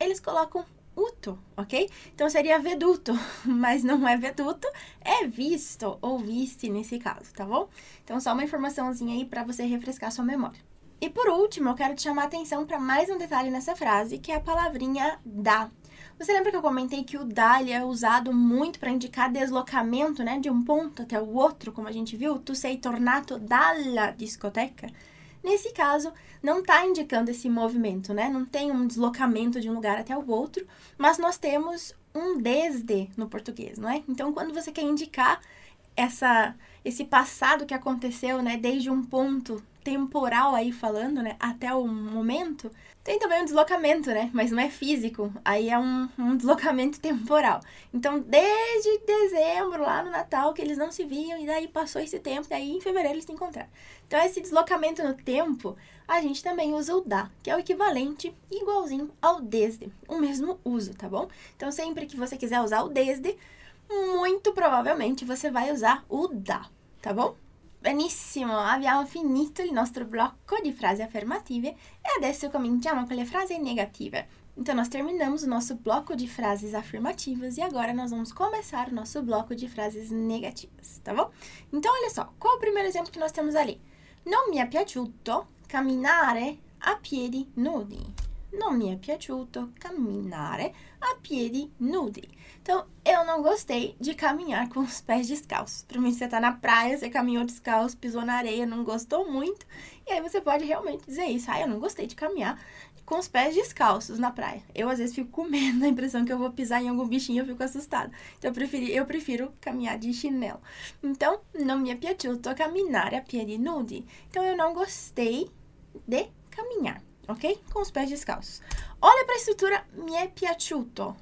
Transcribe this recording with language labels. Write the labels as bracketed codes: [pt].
[pt] Eles colocam uto, ok? Então seria veduto, mas não é veduto, é visto ou viste nesse caso, tá bom? Então só uma informaçãozinha aí para você refrescar sua memória. E por último, eu quero te chamar a atenção para mais um detalhe nessa frase, que é a palavrinha da. Você lembra que eu comentei que o da ele é usado muito para indicar deslocamento, né, de um ponto até o outro, como a gente viu? [it] Tu sei tornato dalla discoteca. [pt] Nesse caso, não está indicando esse movimento, né? Não tem um deslocamento de um lugar até o outro, mas nós temos um desde no português, não é? Então, quando você quer indicar esse passado que aconteceu, né, desde um ponto temporal aí falando, né, até o momento, tem também um deslocamento, né, mas não é físico, aí é um deslocamento temporal. Então, desde dezembro, lá no Natal, que eles não se viam, e daí passou esse tempo, e aí em fevereiro eles se encontraram. Então, esse deslocamento no tempo, a gente também usa o da, que é o equivalente igualzinho ao desde, o mesmo uso, tá bom? Então, sempre que você quiser usar o desde, muito provavelmente você vai usar o da, tá bom? [it] Benissimo, abbiamo finito il nostro blocco di frasi affermative e adesso cominciamo con le frasi negative. [pt] Então, nós terminamos o nosso [it] blocco di frasi affermativas [pt] e agora nós vamos começar o nosso [it] blocco di frasi negativas, [pt] tá bom? Então, olha só, qual o primeiro [it] esempio che [pt] nós temos ali? [it] Non mi è piaciuto camminare a piedi nudi. Non mi è piaciuto camminare a piedi nudi. [pt] Então, eu não gostei de caminhar com os pés descalços. Para mim, você está na praia, você caminhou descalço, pisou na areia, não gostou muito. E aí você pode realmente dizer isso. Ah, eu não gostei de caminhar com os pés descalços na praia. Eu, às vezes, fico com medo, a impressão que eu vou pisar em algum bichinho, eu fico assustada. Então, eu prefiro caminhar de chinelo. [it] Então, non mi è piaciuto camminare a piedi nudi. [pt] Então, eu não gostei de caminhar. Ok? Com os pés descalços. Olha para a estrutura [it] mi è piaciuto.